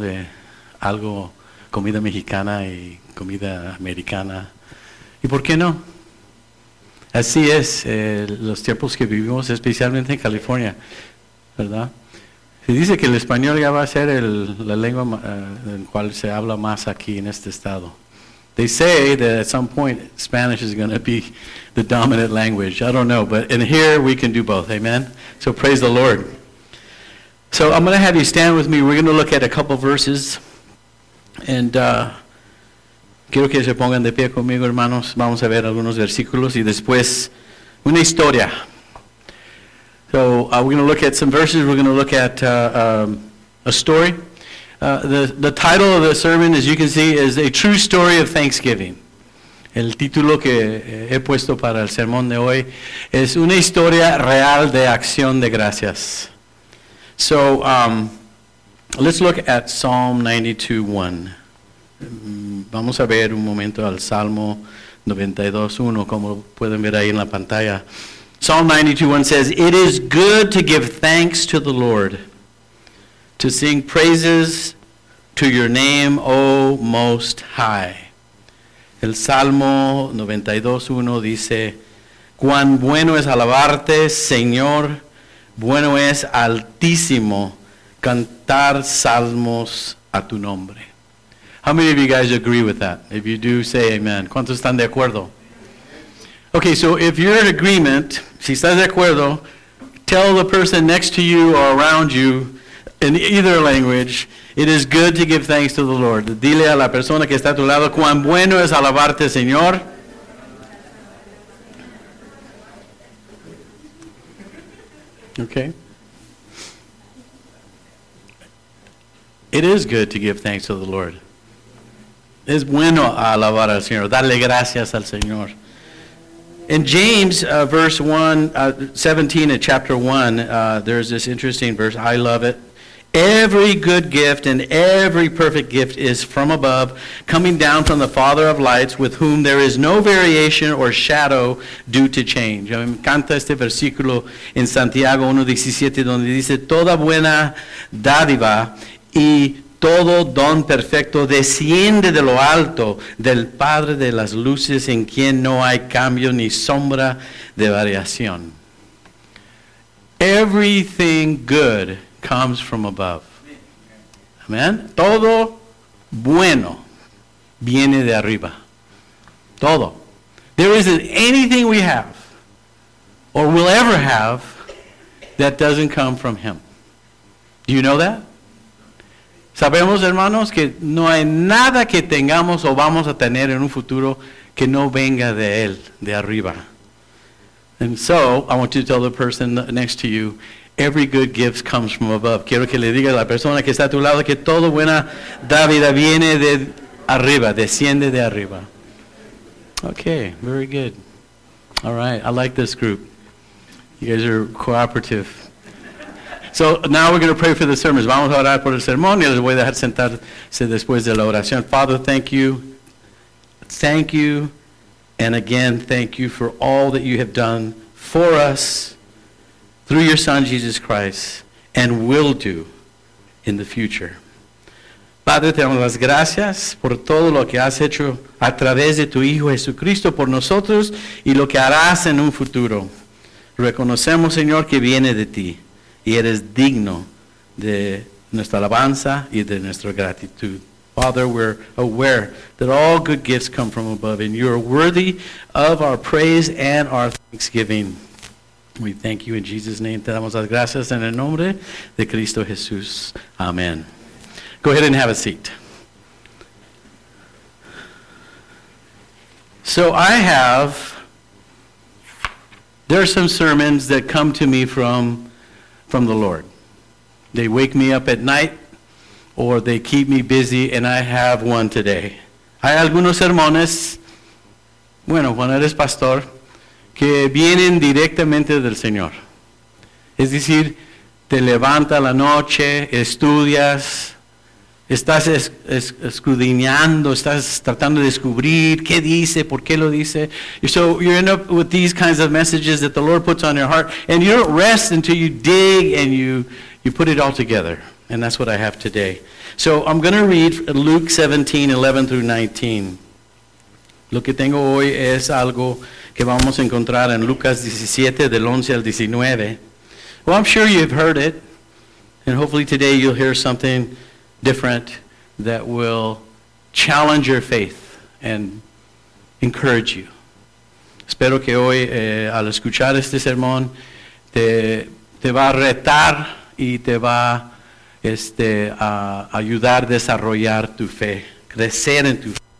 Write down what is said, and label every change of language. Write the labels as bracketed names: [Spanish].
[Spanish] De algo, comida mexicana y comida americana. ¿Y por qué no? Así es, los tiempos que vivimos, especialmente en California, ¿verdad? Se dice que el español ya va a ser la lengua en cual se habla más aquí en este estado. [English] They say that at some point Spanish is going to be the dominant language. I don't know, but in here we can do both. Amen? So praise the Lord. So I'm going to have you stand with me. We're going to look at a couple of verses. [Spanish] And quiero que se pongan de pie conmigo, hermanos. Vamos a ver algunos versículos y después una historia. [English] So we're going to look at some verses. We're going to look at a story. The title of the sermon, as you can see, is A True Story of Thanksgiving. [Spanish] El título que he puesto para el sermón de hoy es Una Historia Real de Acción de Gracias. [English] So, let's look at Psalm 92:1. [Spanish] Vamos a ver un momento al Salmo 92:1, como pueden ver ahí en la pantalla. [English] Psalm 92:1 says, It is good to give thanks to the Lord, to sing praises to your name, O Most High. [Spanish] El Salmo 92:1 dice, Cuán bueno es alabarte, Señor, bueno es altísimo cantar salmos a tu nombre. [English] How many of you guys agree with that? If you do, say amen. [Spanish] ¿Cuántos están de acuerdo? [English] Okay, so if you're in agreement, [Spanish] si estás de acuerdo, [English] tell the person next to you or around you, in either language, it is good to give thanks to the Lord. [Spanish] Dile a la persona que está a tu lado, cuán bueno es alabarte, Señor. [English] Okay. It is good to give thanks to the Lord. [Spanish] Es bueno alabar al Señor. Dale gracias al Señor. [English] In James, verse 1, 17 of chapter 1, there's this interesting verse. I love it. Every good gift and every perfect gift is from above, coming down from the Father of lights, with whom there is no variation or shadow due to change. [Spanish] Me encanta este versículo en Santiago 1:17, donde dice, Toda buena dádiva y todo don perfecto desciende de lo alto, del Padre de las luces, en quien no hay cambio ni sombra de variación. [English] Everything good comes from above. Amen. [Spanish] Todo bueno viene de arriba. Todo. [English] There isn't anything we have or will ever have that doesn't come from Him. Do you know that? [Spanish] Sabemos, hermanos, que no hay nada que tengamos o vamos a tener en un futuro que no venga de Él, de arriba. [English] And so, I want you to tell the person next to you, Every good gift comes from above. [Spanish] Quiero que le diga a la persona que está a tu lado que toda buena dádiva viene de arriba, desciende de arriba. [English] Okay, very good. All right, I like this group. You guys are cooperative. So now we're going to pray for the sermons. [Spanish] Vamos a orar por el sermón y les voy a dejar sentarse después de la oración. [English] Father, thank you. Thank you. And again, thank you for all that you have done for us through your Son, Jesus Christ, and will do in the future. [Spanish] Padre, te damos las gracias por todo lo que has hecho a través de tu Hijo Jesucristo por nosotros y lo que harás en un futuro. Reconocemos, Señor, que viene de ti y eres digno de nuestra alabanza y de nuestra gratitud. [English] Father, we're aware that all good gifts come from above and you are worthy of our praise and our thanksgiving. We thank you in Jesus' name. [Spanish] Te damos las gracias en el nombre de Cristo Jesús. [English] Amen. Go ahead and have a seat. So I have, there are some sermons that come to me from the Lord. They wake me up at night, or they keep me busy, and I have one today. [Spanish] Hay algunos sermones, bueno, cuando eres pastor, que vienen directamente del Señor. Es decir, te levanta la noche, estudias, estás escudriñando, estás tratando de descubrir qué dice, por qué lo dice. [English] So you end up with these kinds of messages that the Lord puts on your heart, and you don't rest until you dig and you put it all together. And that's what I have today. So I'm going to read Luke 17, 11 through 19. [Spanish] Lo que tengo hoy es algo que vamos a encontrar en Lucas 17, del 11 al 19. [English] Well, I'm sure you've heard it, and hopefully today you'll hear something different that will challenge your faith and encourage you. [Spanish] Espero que hoy al escuchar este sermón te va a retar y te va a ayudar a desarrollar tu fe, crecer en tu fe.